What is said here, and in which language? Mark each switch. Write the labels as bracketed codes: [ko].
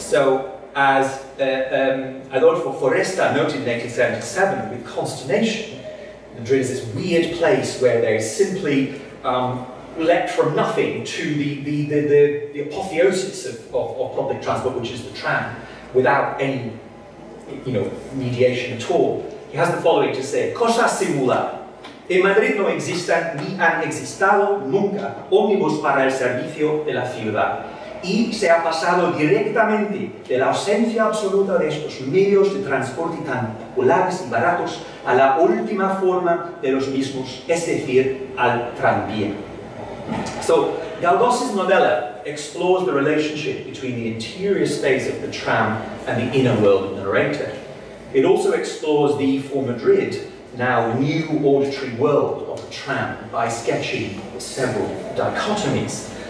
[en] So, as Adolfo Foresta noted in 1877 with consternation, Madrid is this weird place where they simply leapt from nothing to the apotheosis of public transport, which is the tram, without any, you know, mediation at all. He has the following to say: [es] Cosa singular. En Madrid no existen ni han existado nunca ómnibus para el servicio de la ciudad. Y se ha pasado directamente de la ausencia absoluta de estos medios de transporte tan populares y baratos a la última forma de los mismos, es decir, al tranvía. [en] So, Galdós's novella explores the relationship between the interior space of the tram and the inner world of the narrator. It also explores the, for Madrid, now new auditory world of the tram by sketching several dichotomies.